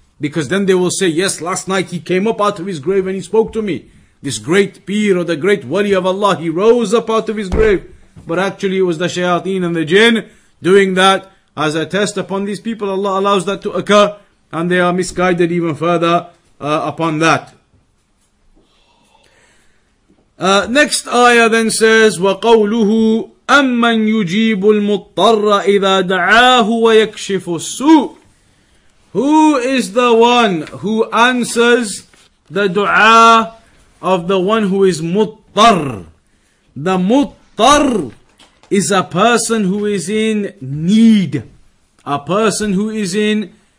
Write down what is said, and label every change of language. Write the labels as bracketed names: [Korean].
[English] Because then they will say, yes, last night he came up out of his grave and he spoke to me. This great peer or the great wali of Allah, he rose up out of his grave. But actually it was the shayateen and the jinn doing that as a test upon these people. Allah allows that to occur and they are misguided even further upon that. Next ayah then says, [Arabic] وَقَوْلُهُ أَمَّنْ يُجِيبُ الْمُطَّرَّ إِذَا دَعَاهُ وَيَكْشِفُ السُّوءِ. [English] Who is the one who answers the dua of the one who is muttar? The muttar is a person who is in need. A person who is in